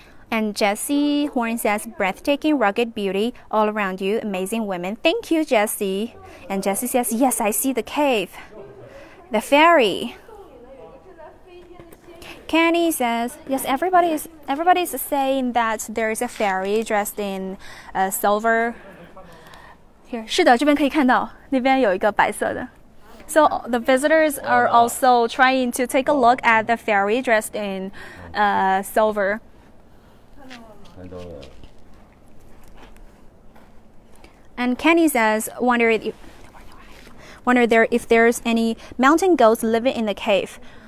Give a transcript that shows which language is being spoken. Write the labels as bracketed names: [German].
[English] And Jesse Horn says, breathtaking, rugged beauty all around you, amazing women. Thank you, Jesse. And Jesse says, yes, I see the cave, the fairy. Kenny says, yes, everybody's saying that there is a fairy dressed in a silver. [Chinese] Here, 是的，这边可以看到，那边有一个白色的。 [English] So the visitors are also trying to take a look at the fairy dressed in silver. And Kenny says, wonder if there's any mountain goats living in the cave.